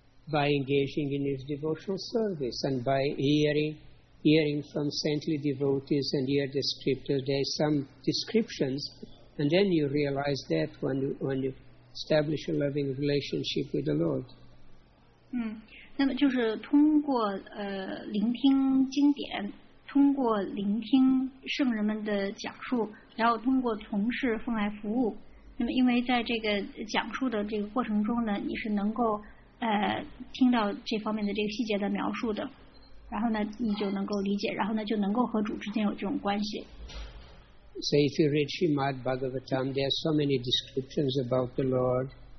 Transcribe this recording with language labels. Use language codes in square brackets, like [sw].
[en] By engaging in his devotional service and by hearing from saintly devotees and hear the scriptures, there are some descriptions, and then you realize that when you establish a loving relationship with the Lord. Hmm. [zh] 那么就是通过聆听经典，通过聆听圣人们的讲述，然后通过从事奉爱服务。那么因为在这个讲述的这个过程中呢，你是能够听到这方面的这个细节的描述的，然后呢你就能够理解，然后呢就能够和主之间有这种关系。 [en] So if you read Srimad Bhagavatam, there are so many descriptions about the Lord.